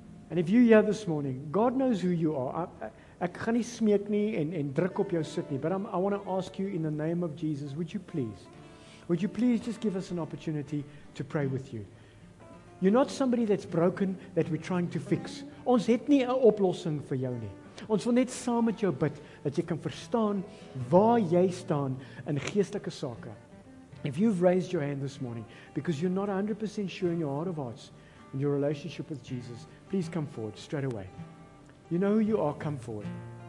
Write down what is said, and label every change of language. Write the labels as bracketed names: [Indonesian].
[English] And if you're here this morning, God knows who you are. [Afrikaans] Ek gaan nie smeek nie en druk op jou sit nie, [English] but I want to ask you in the name of Jesus, would you please just give us an opportunity to pray with you? You're not somebody that's broken that we're trying to fix. [Afrikaans] Ons het nie 'n oplossing vir jou nie. Ons wil net saam met jou bid dat jy kan verstaan waar jy staan in geestelike sake. [English] If you've raised your hand this morning because you're not 100% sure in your heart of hearts in your relationship with Jesus, please come forward straight away. You know who you are, come forward.